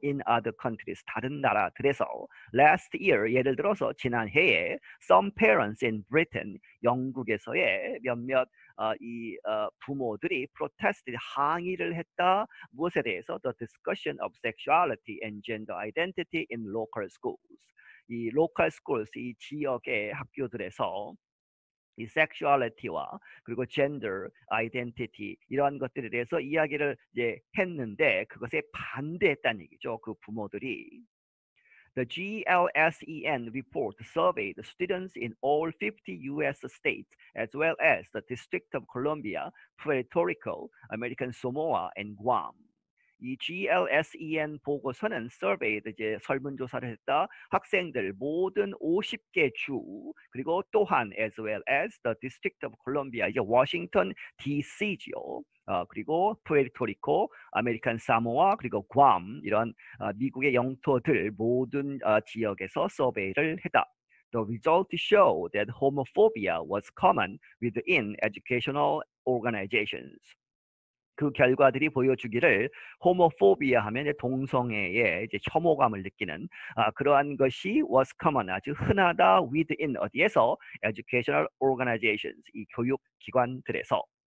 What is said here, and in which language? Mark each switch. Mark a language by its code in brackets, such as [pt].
[en] In other countries, [ko] 다른 나라들에서. [en] Last year, [ko] 예를 들어서 지난해에 [en] some parents in Britain, [ko] 영국에서의 몇몇 부모들이 [en] protested, [ko] 항의를 했다. 무엇에 대해서? [en] The discussion of sexuality and gender identity in local schools. [ko] 이 로컬 스쿨스, 이 지역의 학교들에서 이 섹슈얼리티와 그리고 젠더 아이덴티티 이러한 것들에 대해서 이야기를 이제 했는데 그것에 반대했다는 얘기죠. 그 부모들이. [en] The GLSEN report surveyed students in all 50 U.S. states as well as the District of Columbia, Puerto Rico, American Samoa, and Guam. [ko] 이 GLSEN 보고서는 [en] surveyed, [ko] 이제 설문조사를 했다. 학생들 모든 50개 주, 그리고 또한 [en] as well as the District of Columbia, [ko] 이제 Washington, D.C.죠. 그리고 푸에르토리코, 아메리칸 사모아, 그리고 괌 이런 미국의 영토들 모든 지역에서 서베이를 했다. [en] The results show that homophobia was common within educational organizations. [ko] 그 결과들이 보여주기를 [en] homophobia [ko] 하면 동성애에 이제 혐오감을 느끼는 그러한 것이 [en] was common, [ko] 아주 흔하다 [en] within [ko] 어디에서 [en] educational organizations, [ko] 이 교육기관들에서.